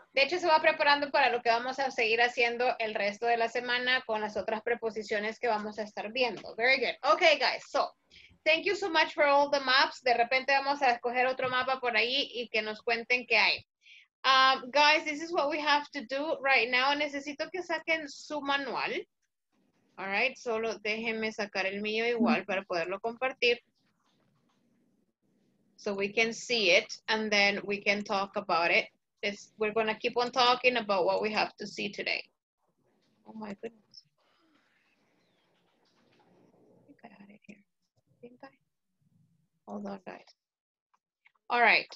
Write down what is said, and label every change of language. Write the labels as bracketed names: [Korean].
[Spanish] De hecho, se va preparando para lo que vamos a seguir haciendo el resto de la semana con las otras preposiciones que vamos a estar viendo. [English] Very good. Okay, guys, so, thank you so much for all the maps. [Spanish] De repente vamos a escoger otro mapa por ahí y que nos cuenten qué hay. [English] Guys, this is what we have to do right now. [Spanish] Necesito que saquen su manual. All right, solo déjenme sacar el mío igual para poderlo compartir. [English] So we can see it and then we can talk about it. We're going to keep on talking about what we have to see today. Oh my goodness. I think I had it here. Didn't I? Hold on, guys. All right.